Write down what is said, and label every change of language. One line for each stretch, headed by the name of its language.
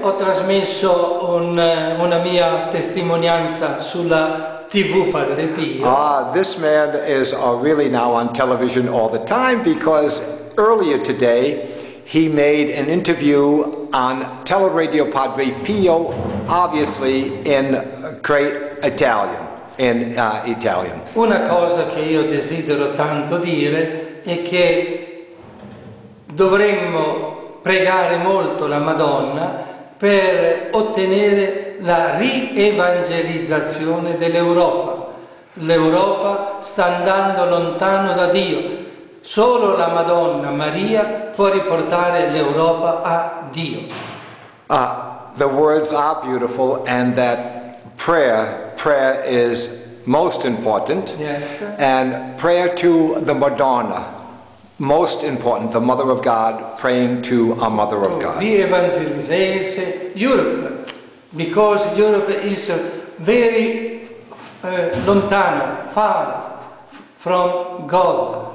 Italian: Ho trasmesso una mia testimonianza sulla TV, Padre Pio.
English: Ah, this man is really now on television all the time, because earlier today he made an interview on Teleradio Padre Pio, obviously in great Italian, Italian.
Italian: Una cosa che io desidero tanto dire è che dovremmo pregare molto la Madonna per ottenere la rievangelizzazione dell'Europa. L'Europa sta andando lontano da Dio. Solo la Madonna Maria può riportare l'Europa a Dio.
English: The words are beautiful, and that prayer is most important. Yes. And prayer to the Madonna, most important, the Mother of God, praying to our Mother of God. Re-evangelize Europe, because Europe is very lontano, far from God.